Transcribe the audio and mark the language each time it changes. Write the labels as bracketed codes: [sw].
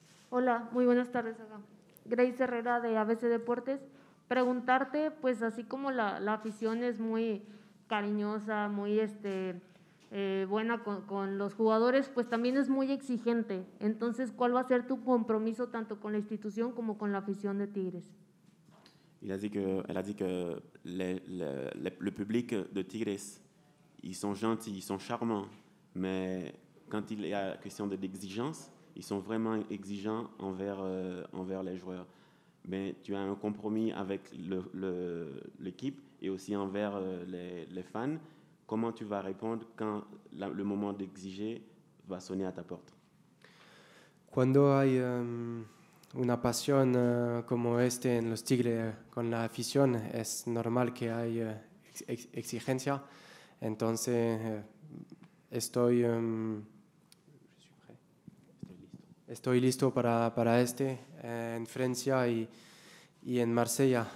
[es] Hola, muy buenas tardes acá. Grace Herrera de ABC Deportes. Preguntarte, pues así como la afición es muy cariñosa, muy buena con los jugadores, pues también es muy exigente. Entonces, ¿cuál va a ser tu compromiso tanto con la institución como con la afición de Tigres? Él ha dicho que el público de Tigres, [fr] ils sont gentils, ils sont charmants, mais quand il y a question de l'exigence, ils sont vraiment exigeants envers les joueurs. Mais tu as un compromis avec l'équipe et aussi envers les fans. Comment tu vas répondre quand le moment d'exiger va sonner à ta porte? [es] Cuando hay una pasión como este en los Tigres con la afición, es normal que hay exigencia. Entonces estoy Estoy listo para este en Francia y en Marsella.